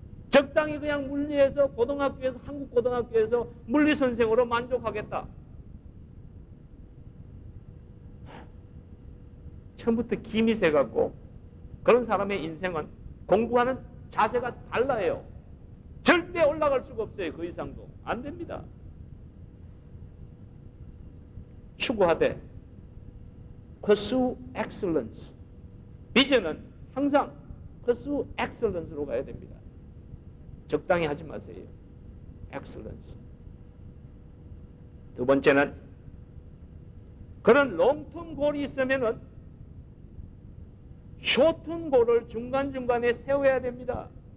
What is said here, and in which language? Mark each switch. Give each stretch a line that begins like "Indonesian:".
Korean: 적당히 그냥 물리해서 고등학교에서 한국 고등학교에서 물리 선생으로 만족하겠다. 처음부터 김이 세갖고 그런 사람의 인생은 공부하는 자세가 달라요. 절대 올라갈 수가 없어요. 그 이상도 안 됩니다. 추구하되
English: Pursue Excellence.
Korean: 비전은 항상
English: Pursue Excellence
Korean: 로 가야 됩니다. 적당히 하지 마세요. Excellence. 두 번째는 그런 롱텀 골이 있으면은 숏텀 골을 중간중간에 세워야 됩니다.